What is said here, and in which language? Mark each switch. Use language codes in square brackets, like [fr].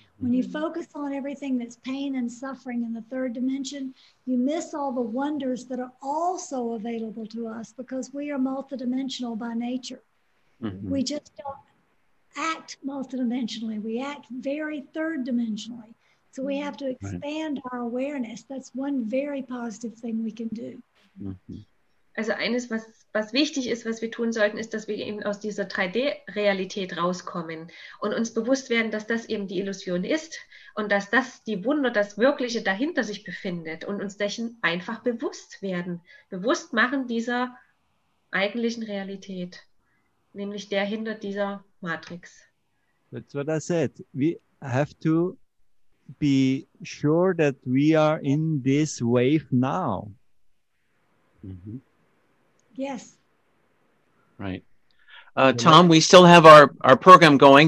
[en] When you focus on everything that's pain and suffering in the third dimension, you miss all the wonders that are also available to us, because we are multidimensional by nature. Mm-hmm. We just don't act multidimensionally. We act very third dimensionally. So we have to expand our awareness. That's one very positive thing we can do. [de] Also eines, was wichtig ist, was wir tun sollten, ist, dass wir eben aus dieser 3D-Realität rauskommen und uns bewusst werden, dass das eben die Illusion ist und dass das die Wunder, das Wirkliche dahinter sich befindet, und uns dessen einfach bewusst werden, bewusst machen dieser eigentlichen Realität. Nämlich der hinter dieser Matrix. [en] That's what I said. We have to be sure that we are in this wave now. Mm-hmm. Yes. Right. Tom, we still have our program going.